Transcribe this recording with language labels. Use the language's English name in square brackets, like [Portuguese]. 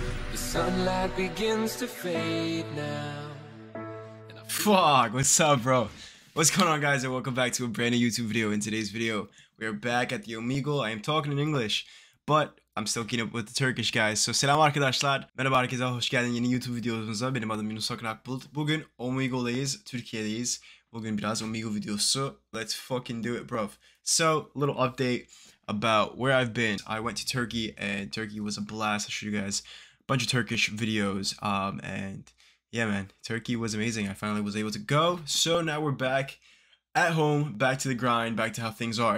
[English] The sunlight begins to fade now. And I fuck, what's up, bro? What's going on, guys, and welcome back to a brand new YouTube video. In today's video, we are back at the Omegle. I am talking in English, but I'm still keeping up with the Turkish guys. [Turkish] So selam arkadaşlar, merhaba herkese, hoş geldin yeni YouTube videomuza. Benim adım Yunus Akbulut. Bugün Omegle'deyiz, Türkiye'deyiz. Bugün biraz Omegle videosu. [English] Let's fucking do it, bro. So, little update about where I've been. I went to Turkey, and Turkey was a blast. I showed you guys a bunch of Turkish videos. And yeah, man, Turkey was amazing. I finally was able to go. So now we're back at home, back to the grind, back to how things are.